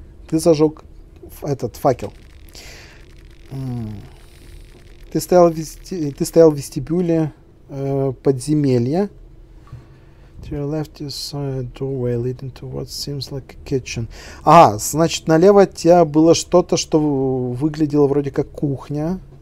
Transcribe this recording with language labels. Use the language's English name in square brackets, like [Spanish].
[Russian] Ты зажег этот факел. Ты стоял в вестибюле подземелья. [English] To your left is a doorway leading to what seems like a kitchen. [Russian] А, значит, налево от тебя было что-то, что выглядело вроде как кухня.